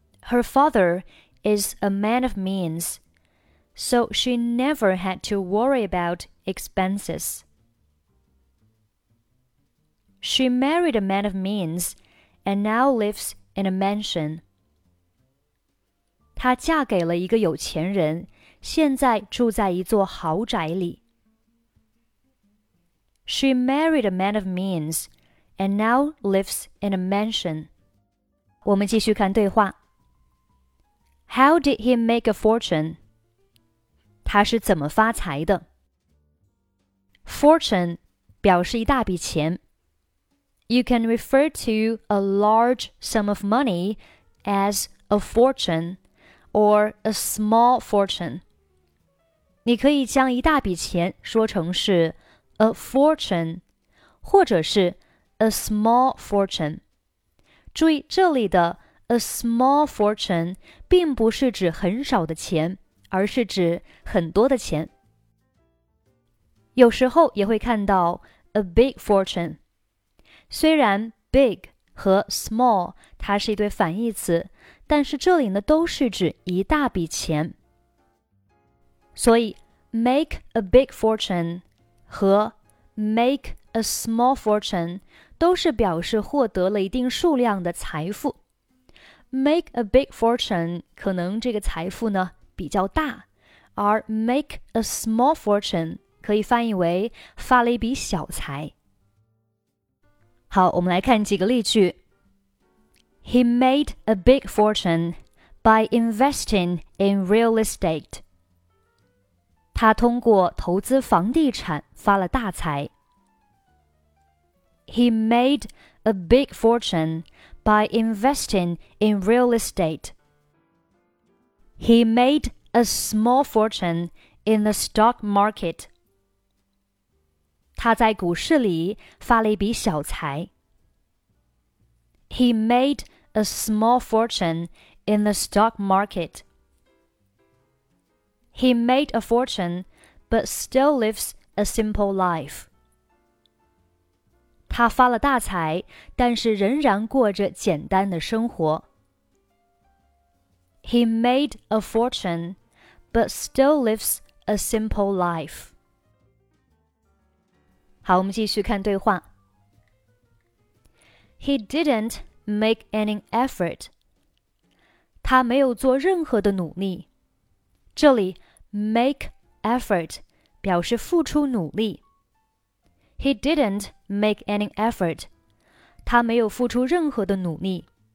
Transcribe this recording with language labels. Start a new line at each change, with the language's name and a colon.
English: Her father is a man of means, so she never had to worry about expenses. She married a man of means and now lives in a mansion.
Chinese: 她嫁给了一个有钱人，现在住在一座豪宅里。
English: She married a man of means and now lives in a mansion.
Chinese: 我们继续看对话。
English: How did he make a fortune?
Chinese: 他是怎么发财的? Fortune 表示一大笔钱。
English: You can refer to a large sum of money as a fortune or a small fortune.
Chinese: 你可以将一大笔钱说成是
English: A fortune,
Chinese: 或者是
English: a small fortune.
Chinese: 注意这里的
English: a small fortune
Chinese: 并不是指很少的钱，而是指很多的钱。有时候也会看到
English: a big fortune.
Chinese: 虽然 big 和 small 它是一对反义词，但是这里呢都是指一大笔钱。所以
English: make a big fortune
Chinese: 和
English: make a small fortune
Chinese: 都是表示获得了一定数量的财富。
English: Make a big fortune
Chinese: 可能这个财富呢比较大，而
English: make a small fortune
Chinese: 可以翻译为发了一笔小财。好，我们来看几个例句。
English: He made a big fortune by investing in real estate.
Chinese: 他通过投资房地产发了大财。
English: he made a big fortune by investing in real estate. He made a small fortune in the stock market.
Chinese: 他在股市里发了一笔小财。
English: He made a small fortune in the stock market. He made a fortune, but still lives a simple life.
Chinese: 他发了大财，但是仍然过着简单的生活。
English: He made a fortune, but still lives a simple life.
Chinese: 好，我们继续看对话。
English: He didn't make any effort.
Chinese: 他没有做任何的努力。这里
English: make effort
Chinese: 表示付出努力。
English: He didn't make any effort.
Chinese: 他没有付出任何的努力。